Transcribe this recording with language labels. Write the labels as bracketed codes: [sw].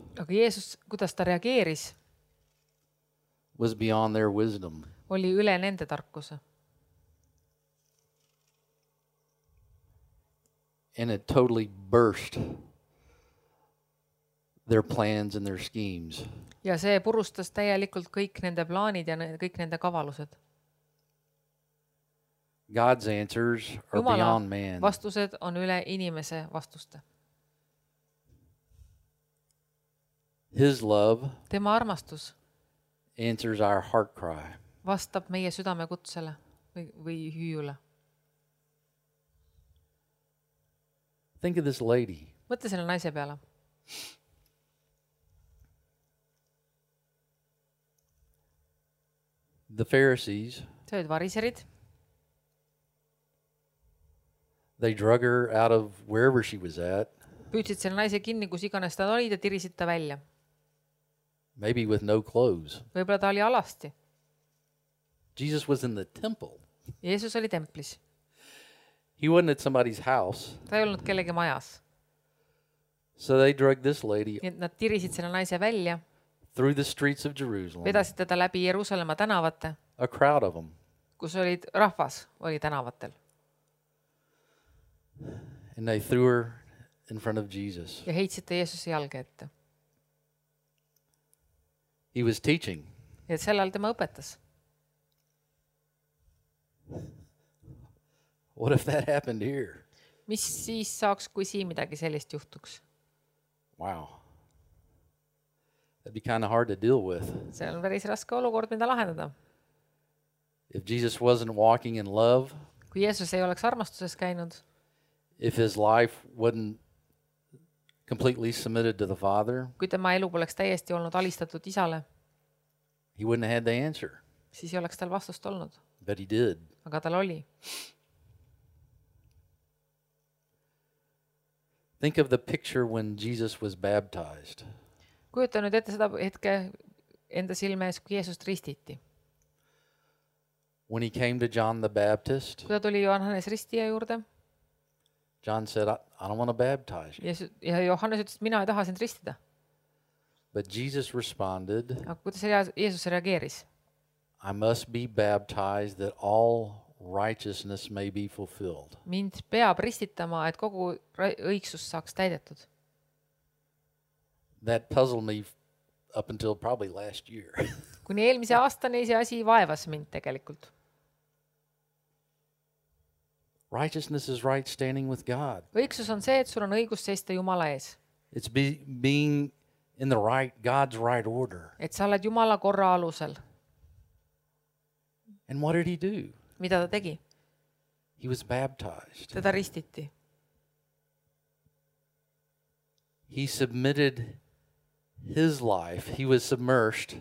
[et] Aga Jeesus, kuidas ta reageeris? [en] Was beyond their wisdom. [et] Oli üle nende tarkuse. [en] And it totally burst their plans and their schemes. [et] Ja see purustas täielikult kõik nende plaanid ja kõik nende kavalused. [en] God's answers are [et] Jumala [en] beyond man. [et] Vastused on üle inimese vastuste. [en] His love [et] tema armastus [en] answers our heart cry. [et] Vastab meie südame kutsele või hüüule. [en] Think of this lady. [et] Mõtle selle naise peale. [en] The Pharisees. [et] Tõid variserid. [en] They drug her out of wherever she was at. [et] Püüdsid selle naise kinni, kus iganes ta oli, ja tirisid ta välja. [en] Maybe with no clothes. [et] Võib-olla ta oli alasti. [en] Jesus was in the temple. [et] Jeesus oli templis. [en] He wasn't at somebody's house. [et] Ta ei olnud kellegi majas. [en] So they drug this lady. [et] Nad tirisid selle naise välja. [en] Through the streets of Jerusalem. [et] Vedasid teda läbi Jerusalema tänavate. [en] A crowd of them. [et] Kus olid rahvas, oli tänavatel. [en] And they threw her in front of Jesus. [et] Ja heitsite Jeesuse jalge ette. [en] He was teaching. [et] Ja sellal tema õpetas. [en] What if that happened here? [et] Mis siis saaks, kui siin midagi sellest juhtuks? [en] Wow. That'd be kind of hard to deal with. [et] See on päris raske olukord, mida lahendada. [en] If Jesus wasn't walking in love. [et] Kui Jeesus ei oleks armastuses käinud. [en] If his life wasn't completely submitted to the Father. [et] Kui tema elu poleks täiesti olnud alistatud isale. [en] He wouldn't have had the answer. [et] Siis ei oleks tal vastust olnud. [en] But he did. [et] Aga tal oli. [en] Think of the picture when Jesus was baptized. [et] Kujuta nüüd ette seda hetke enda silmes, kui Jeesust ristiti. [en] When he came to John the Baptist. [et] Kui ta tuli Johannes ristija juurde. [en] John said, I don't want to baptize you. [et] Ja Johannes ütles, mina ei taha sind ristida. [en] But Jesus responded. [et] Aga kuidas Jeesus reageeris? [en] I must be baptized that all righteousness may be fulfilled. [et] Mind peab ristitama, et kogu õigsus saaks täidetud. [en] That puzzled me up until probably last year. [et] Kuni eelmise aastane see asi vaevas mind tegelikult. [en] Righteousness is right standing with God. [et] Õigsus on see, et sul on õigus seista Jumala ees. [en] It's being in the right God's right order. [et] Et sa oled Jumala korra alusel. [en] And what did he do? [et] Mida ta tegi? [en] He was baptized. [et] Teda ristiti. [en] He submitted his life. He was submerged.